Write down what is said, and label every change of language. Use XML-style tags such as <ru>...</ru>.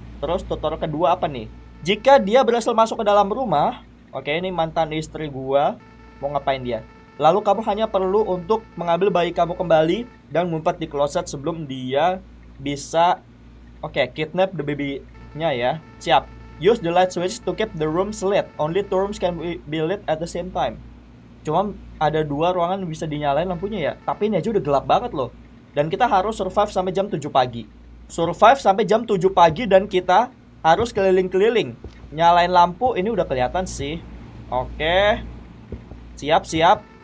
<id>Terus tutorial kedua apa nih? Jika dia berhasil masuk ke dalam rumah, oke, ini mantan istri gua, mau ngapain dia? Lalu kamu hanya perlu untuk mengambil bayi kamu kembali dan ngumpet di kloset sebelum dia bisa, oke,</id> <en>kidnap the baby-</en> <id>nya ya. Siap.</id> <en>Use the light switch to keep the rooms lit. Only two rooms can be lit at the same time.</en> <id>Cuma ada dua ruangan bisa dinyalain lampunya ya. Tapi ini aja udah gelap banget loh. Dan kita harus survive sampai jam 7 pagi. Survive sampai jam 7 pagi dan kita harus keliling-keliling. Nyalain lampu, ini udah kelihatan sih. Oke. Siap-siap.</id>